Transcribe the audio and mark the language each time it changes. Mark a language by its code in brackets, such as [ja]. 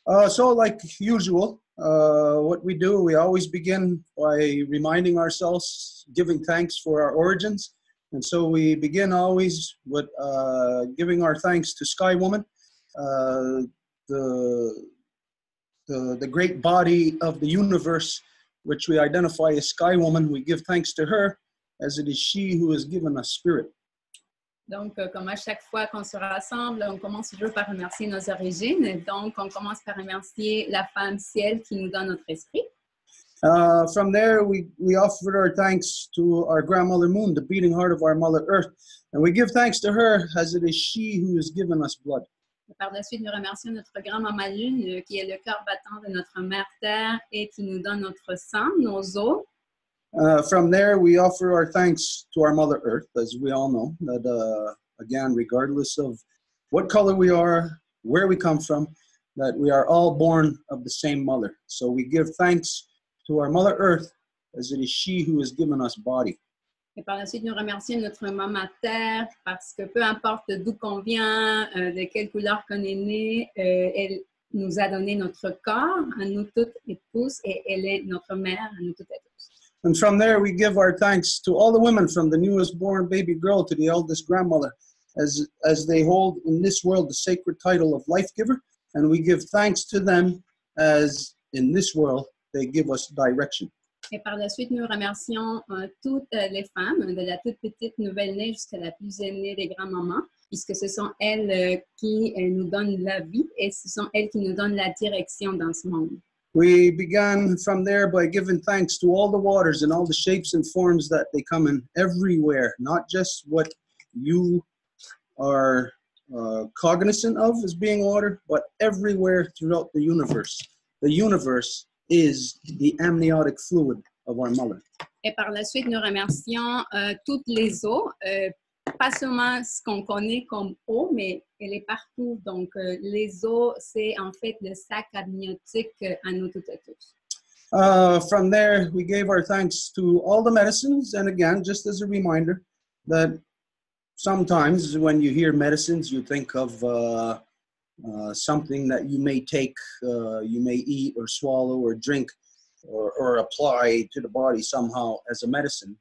[en] So like usual, what we do, we always begin by reminding ourselves, giving thanks for our origins. And so we begin always with giving our thanks to Sky Woman, the great body of the universe, which we identify as Sky Woman. We give thanks to her, as it is she who has given us spirit. [fr] Donc, comme à chaque fois qu'on se rassemble, on commence toujours par remercier nos origines. Donc, on commence par remercier la femme ciel qui nous donne notre esprit. [en] From there, we offer our thanks to our grandmother moon, the beating heart of our mother earth. And we give thanks to her, as it is she who has given us blood. [fr] Par la suite, nous remercions notre grand-maman Lune, qui est le cœur battant de notre mère Terre et qui nous donne notre sang, nos os. [en] From there, we offer our thanks to our Mother Earth, as we all know, that again, regardless of what color we are, where we come from, that we are all born of the same mother. So we give thanks to our Mother Earth, as it is she who has given us body. [fr] Et par la suite, nous remercions notre maman Terre parce que peu importe d'où qu'on vient, de quelle couleur qu'on est né, elle nous a donné notre corps à nous toutes et tous, et elle est notre mère à nous toutes et tous. [en] And from there, we give our thanks to all the women, from the newest born baby girl to the eldest grandmother, as they hold in this world the sacred title of life giver, and we give thanks to them as in this world they give us direction. [fr] Et par la suite, nous remercions toutes les femmes, de la toute petite nouvelle-née jusqu'à la plus aînée des grands-mamans, puisque ce sont elles qui nous donnent la vie et ce sont elles qui nous donnent la direction dans ce monde. [en] We began from there by giving thanks to all the waters and all the shapes and forms that they come in everywhere, not just what you are cognizant of as being water, but everywhere throughout the universe. The universe is the amniotic fluid of our mother. [fr] Et par la suite, nous remercions toutes les eaux, pas seulement ce qu'on connaît comme eau, mais elle est partout. Donc, les eaux, c'est en fait le sac amniotique à nous toutes et tous. [en] From there, we gave our thanks to all the medicines. And again, just as a reminder, that sometimes when you hear medicines, you think of something that you may take, you may eat or swallow or drink or apply to the body somehow as a medicine.